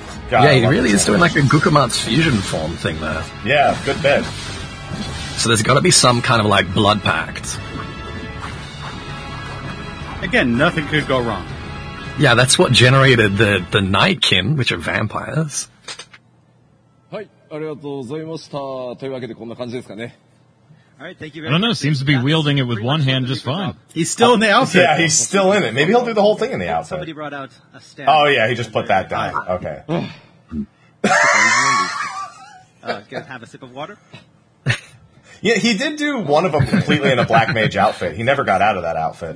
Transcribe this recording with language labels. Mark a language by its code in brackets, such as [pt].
[en] God, yeah, he really is doing like a Gookamart's fusion form thing there. Yeah, good bit. So there's got to be some kind of like blood pact. Again, nothing could go wrong. Yeah, that's what generated the Nightkin, which are vampires. [ja] Hi, ありがとうございました.というわけでこんな感じですかね。 [en] All right, thank you very I don't know, seems to be wielding it with one hand just fine. He's still in the outfit. Yeah, he's still in it. Maybe he'll do the whole thing in the outfit. Somebody brought out a stand. Oh, yeah, he just put that down. Okay. Gonna have a sip of water? Yeah, he did do one of them completely in a Black Mage outfit. He never got out of that outfit.